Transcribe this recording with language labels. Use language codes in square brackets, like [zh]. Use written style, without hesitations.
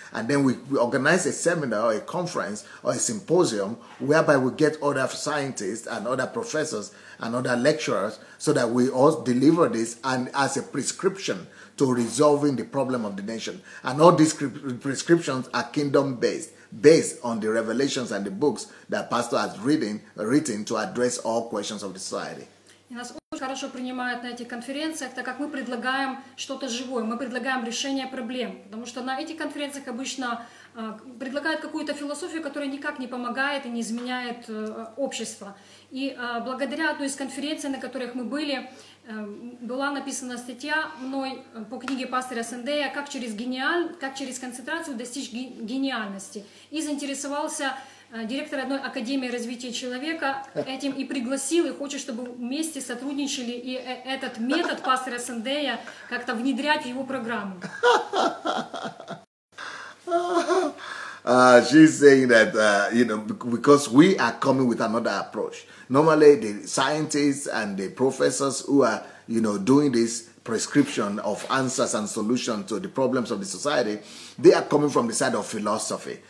[en] And then we organize a seminar or a conference or a symposium whereby we get other scientists and other professors and other lecturers so that we all deliver this and as a prescription to resolving the problem of the nation. And all these prescriptions are kingdom-based, based on the revelations and the books that pastor has written to address all questions of the society. [ru] Хорошо принимают на этих конференциях, так как мы предлагаем что-то живое, мы предлагаем решение проблем, потому что на этих конференциях обычно предлагают какую-то философию, которая никак не помогает и не изменяет общество. И благодаря одной из конференций, на которых мы были, была написана статья мной по книге пастора Сандея «Как через концентрацию достичь гениальности» и заинтересовался директор одной академии развития человека этим и пригласил, и хочет, чтобы вместе сотрудничали и этот метод пастора Сандея как-то внедрять в его программу. [en] She's saying that, you know, because we are coming with another approach. Normally, the scientists and the professors who are, you know, doing this prescription of answers and solutions to the problems of the society, they are coming from the side of philosophy.